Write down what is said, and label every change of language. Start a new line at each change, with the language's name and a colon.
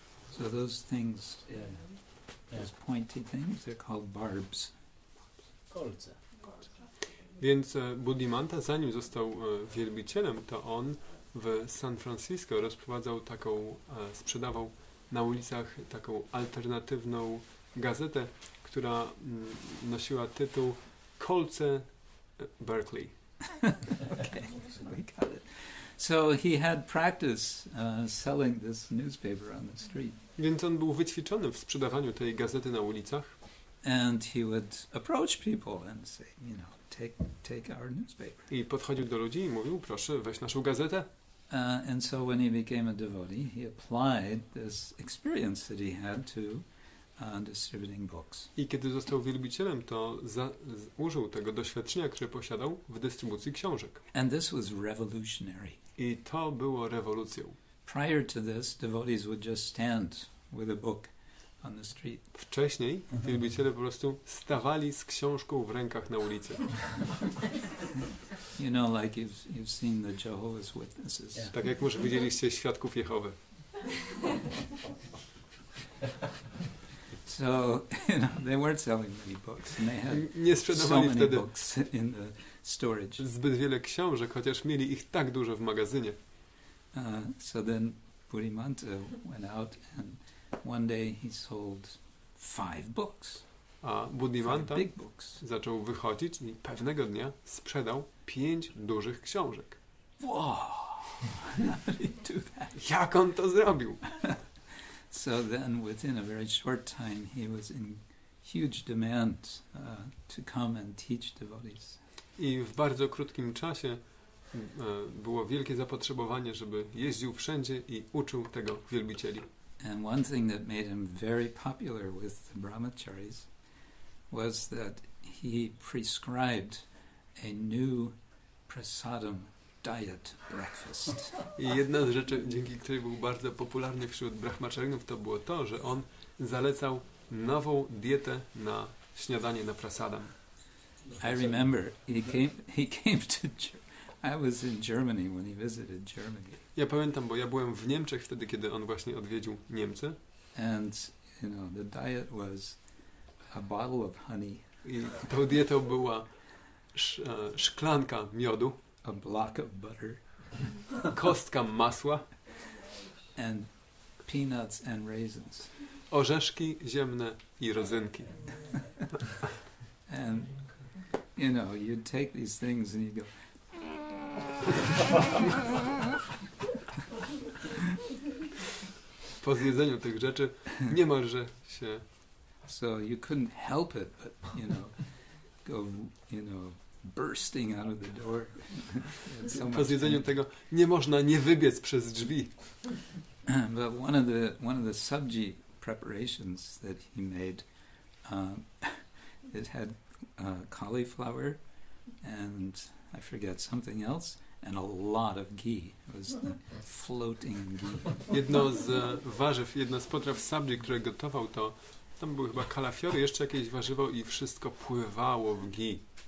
English: So those things, those pointy things, they're called barbs.
Polish: Kolce. Więc Buddhimanta, zanim został wielbicielem, to on w San Francisco rozprowadzał taką, sprzedawał na ulicach taką alternatywną gazetę, która nosiła tytuł Kolce Berkeley.
English: Okay, we got it. So he had practice selling this newspaper on the street.
Polish: Więc on był wyćwiczony w sprzedawaniu tej gazety na ulicach.
English: And he would approach people and say, you know, take our newspaper.
Polish: I podchodził do ludzi i mówił, proszę, weź naszą gazetę.
English: And so when he became a devotee, he applied this experience that he had to distributing books.
Polish: I kiedy został wielbicielem, to użył tego doświadczenia, które posiadał w dystrybucji książek.
English: And this was revolutionary.
Polish: I to było rewolucją.
English: Prior to this, devotees would just stand with a book on the street.
Polish: Wcześniej wielbiciele po prostu stawali z książką w rękach na ulicy.
English: You know, like you've seen the Jehovah's Witnesses. Yeah.
Polish: Tak jak może widzieliście Świadków Jehowy.
English: So, you know, they weren't selling many books, and they had
Polish: nie sprzedawali
English: so many
Polish: wtedy
English: books in the storage.
Polish: Zbyt wiele książek, chociaż mieli ich tak dużo w magazynie.
English: So then Buddhimanta went out and one day he sold 5 books.
Polish: A Buddhimanta zaczął wychodzić i pewnego dnia sprzedał 5 dużych książek.
English: Wow!
Polish: Jak on to zrobił?
English: So then within a very short time he was in huge demand to come and teach devotees.
Polish: I w bardzo krótkim czasie było wielkie zapotrzebowanie, żeby jeździł wszędzie i uczył tego wielbicieli.
English: And one thing that made him very popular with the brahmacharis was that he prescribed a new prasadam diet breakfast.
Polish: I jedna z rzeczy, dzięki której był bardzo popularny wśród brahmacharinów, to było to, że on zalecał nową dietę na śniadanie, na prasadam.
English: I remember I was in Germany when he visited Germany.
Polish: Ja pamiętam, bo ja byłem w Niemczech wtedy, kiedy on właśnie odwiedził Niemcy.
English: And you know, the diet was a bottle of honey.
Polish: I tą dietą była szklanka miodu.
English: A block of butter.
Polish: Kostka masła.
English: And peanuts and raisins.
Polish: Orzeszki ziemne i rodzynki.
English: And you know, you'd take these things and you'd go.
Polish: Po zjedzeniu tych rzeczy niemalże się.
English: So you couldn't help it, but you know, go, you know, bursting out of the door.
Polish: So po zjedzeniu tego nie można nie wybiec przez drzwi.
English: But one of the sabji preparations that he made, it had cauliflower and I forget something else. And a lot of ghee. It was the floating ghee.
Polish: Jedno z warzyw, jedna z potraw sabji, które gotował, to tam były chyba kalafiory, jeszcze jakieś warzywo i wszystko pływało w ghee.